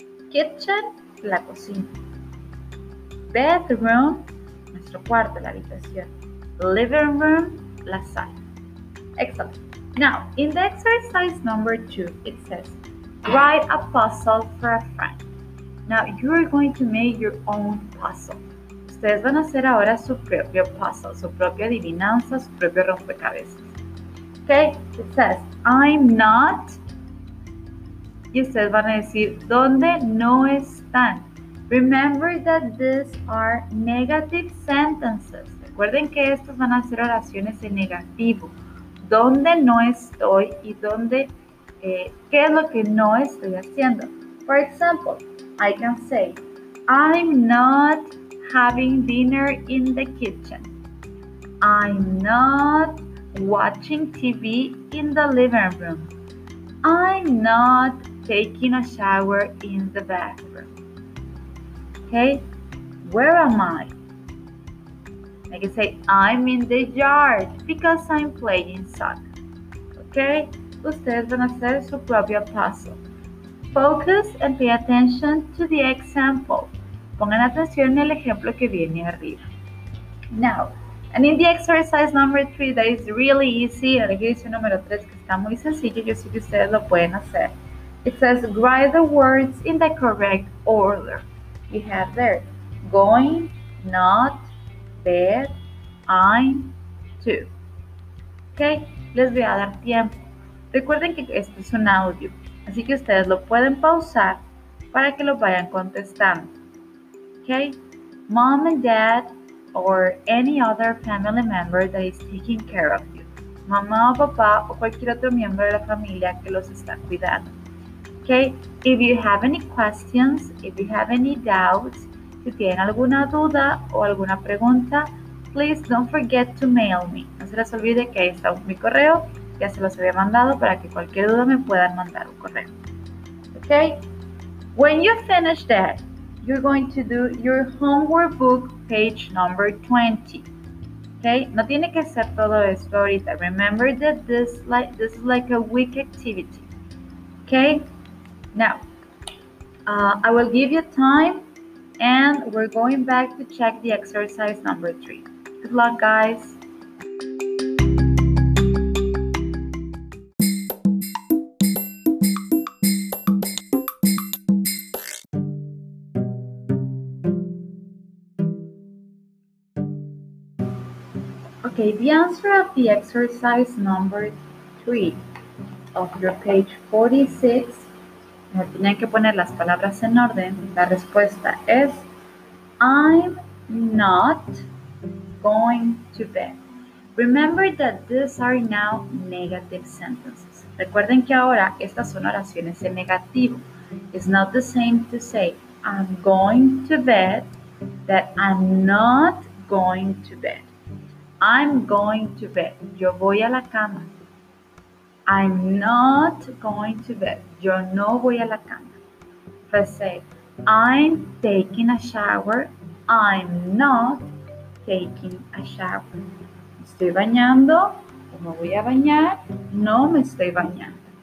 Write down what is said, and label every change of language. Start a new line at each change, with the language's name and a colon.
Spanish: Kitchen, la cocina. Bedroom, nuestro cuarto, la habitación.
English: Living room,
Spanish: la sala.
English: Excellent. Now, in the exercise number 2, it says, write a puzzle for a friend. Now, you are going to make your own puzzle.
Spanish: Ustedes van a hacer ahora su propio puzzle, su propia adivinanza, su propio rompecabezas.
English: Okay, it says, I'm not.
Spanish: Y ustedes van a decir, ¿dónde no están?
English: Remember that these are negative sentences.
Spanish: Recuerden que estas van a ser oraciones en negativo. ¿Dónde no estoy? Y dónde, ¿qué es lo que no estoy haciendo?
English: For example, I can say, I'm not having dinner in the kitchen. I'm not watching TV in the living room. I'm not taking a shower in the bathroom. Okay, where am I? I can say, I'm in the yard because I'm playing soccer. Okay,
Spanish: ustedes van a hacer su propio puzzle.
English: Focus and pay attention to the example.
Spanish: Pongan atención en el ejemplo que viene arriba.
English: Now, and in the exercise number 3 that is really easy,
Spanish: el ejercicio número 3 que está muy sencillo, yo sé que ustedes lo pueden hacer.
English: It says, write the words in the correct order. You have there, going, not, bed, I'm, to.
Spanish: Okay, les voy a dar tiempo. Recuerden que esto es un audio, así que ustedes lo pueden pausar para que lo vayan contestando.
English: Okay, mom and dad or any other family member that is taking care of you.
Spanish: Mamá o papá o cualquier otro miembro de la familia que los está cuidando.
English: Okay, if you have any questions, if you have any doubts,
Spanish: si tienen alguna duda o alguna pregunta,
English: please don't forget to mail me.
Spanish: No se les olvide que ahí está mi correo, ya se los había mandado para que cualquier duda me puedan mandar un correo.
English: Okay, when you finish that, you're going to do your homework book page number 20.
Spanish: Okay, no tiene que ser todo esto ahorita.
English: Remember that this is like a week activity. Okay. Now, I will give you time and we're going back to check the exercise number 3. Good luck, guys. Okay, the answer of the exercise number 3 of your page 46.
Spanish: Me tienen que poner las palabras en orden. La respuesta es,
English: I'm not going to bed. Remember that these are now negative sentences.
Spanish: Recuerden que ahora estas son oraciones en negativo.
English: It's not the same to say, I'm going to bed, that I'm not going to bed. I'm going to bed.
Spanish: Yo voy a la cama.
English: I'm not going to bed.
Spanish: Yo no voy a la cama.
English: If I say, I'm taking a shower, I'm not taking a shower.
Spanish: Estoy bañando, no voy a bañar, no me estoy bañando.